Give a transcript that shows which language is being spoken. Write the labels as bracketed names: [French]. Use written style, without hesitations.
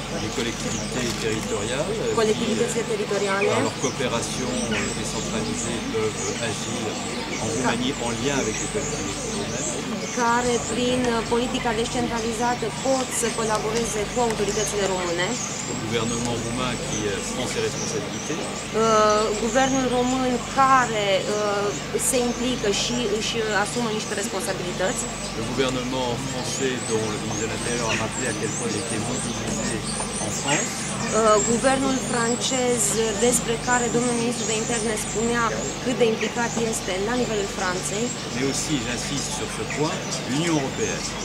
[French] Les collectivités territoriales, leur coopération décentralisée peuvent agir en Roumanie en lien avec les collectivités roumaines. [Romanian] Care prin politica descentralizată pot să colaboreze cu autoritățile române. [French] Guvernement roumain qui prend ses responsabilités. [Romanian] Guvernul român care se implică și își asumă niște responsabilități. [French] Le gouvernement français dont le ministre de l'Intérieur a rappelé à quel point il était mobilisé en France. [Romanian] Guvernul francez despre care domnul ministru de interne spunea cât de implicat este la nivelul Franței. [French] Mais aussi, j'insiste sur ce point, l'Union européenne.